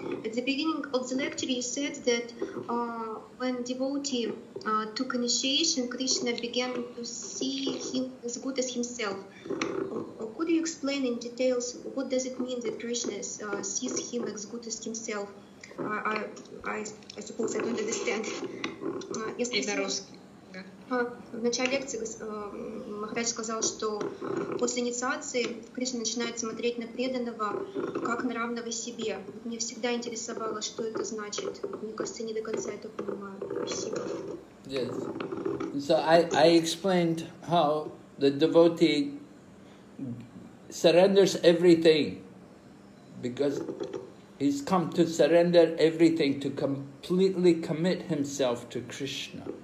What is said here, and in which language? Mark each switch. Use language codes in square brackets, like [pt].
[en] At the beginning of the lecture, you said that when devotee took initiation, Krishna began to see him as good as himself. Could you explain in details what does it mean that Krishna sees him as good as himself? I suppose I don't understand. [ru] Если на русский. В начале лекции Махарадж сказал, что после инициации Кришна начинает смотреть на преданного как на равного себе. Мне всегда интересовало, что это значит. Мне кажется, не до конца это понимаю. Спасибо. [en] Yes. So I explained how the devotee surrenders everything because he's come to surrender everything, to completely commit himself to Krishna.